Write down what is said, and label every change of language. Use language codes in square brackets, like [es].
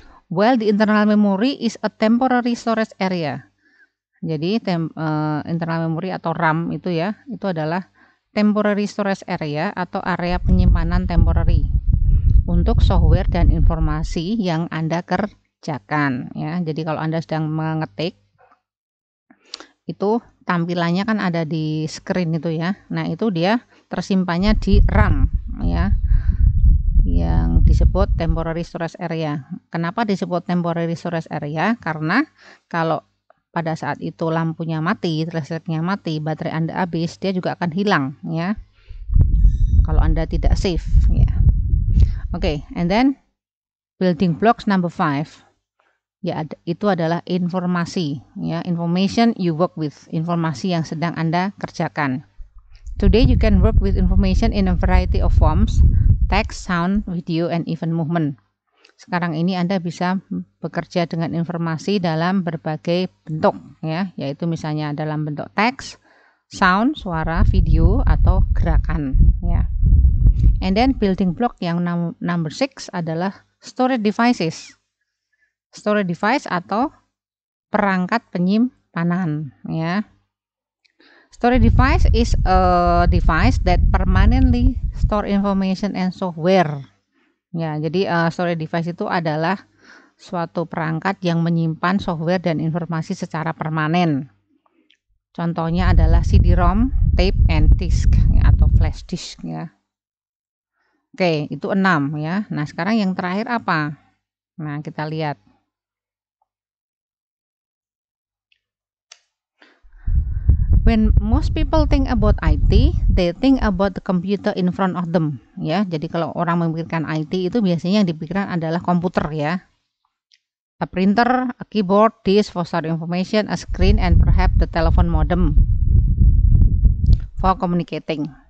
[en] Well, the internal memory is a temporary storage area. [id] Jadi internal memory atau RAM itu ya, itu adalah temporary storage area atau area penyimpanan temporary untuk software dan informasi yang Anda kerjakan ya. Jadi kalau Anda sedang mengetik itu tampilannya kan ada di screen itu ya. Nah, itu dia tersimpannya di RAM ya, yang disebut temporary storage area. Kenapa disebut temporary storage area? Karena kalau pada saat itu lampunya mati, listriknya mati, baterai Anda habis, dia juga akan hilang ya, kalau Anda tidak save ya. Oke, okay, [en] and then building blocks number 5 [id] ya, itu adalah informasi ya, [en] information you work with, [id] informasi yang sedang Anda kerjakan. [en] Today you can work with information in a variety of forms, text, sound, video, and even movement. [id] Sekarang ini Anda bisa bekerja dengan informasi dalam berbagai bentuk ya, yaitu misalnya dalam bentuk teks, sound, suara, video, atau gerakan ya. [en] And then building block yang number 6 adalah storage devices. [id] Storage device atau perangkat penyimpanan ya. [en] Storage device is a device that permanently store information and software. [id] Ya, jadi storage device itu adalah suatu perangkat yang menyimpan software dan informasi secara permanen. Contohnya adalah CD-ROM, tape and disk ya, atau flash disk ya. Oke, itu 6 ya. Nah, sekarang yang terakhir apa? Nah, kita lihat. [en] When most people think about IT, they think about the computer in front of them. [id] Ya, jadi kalau orang memikirkan IT itu biasanya yang dipikirkan adalah komputer ya. [en] A printer, a keyboard, disk for storing information, a screen, and perhaps the telephone modem for communicating.